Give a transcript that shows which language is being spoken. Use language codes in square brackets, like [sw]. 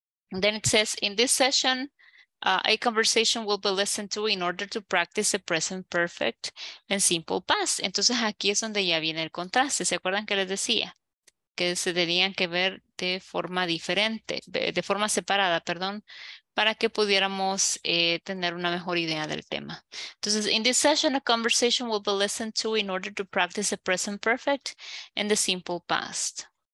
[en] Then it says, in this session, a conversation will be listened to in order to practice the present perfect and simple past. [es] Entonces aquí es donde ya viene el contraste. ¿Se acuerdan que les decía? Que se tenían que ver de forma diferente, de forma separada, perdón, para que pudiéramos tener una mejor idea del tema. [en] Entonces, in this session, a conversation will be listened to in order to practice the present perfect and the simple past.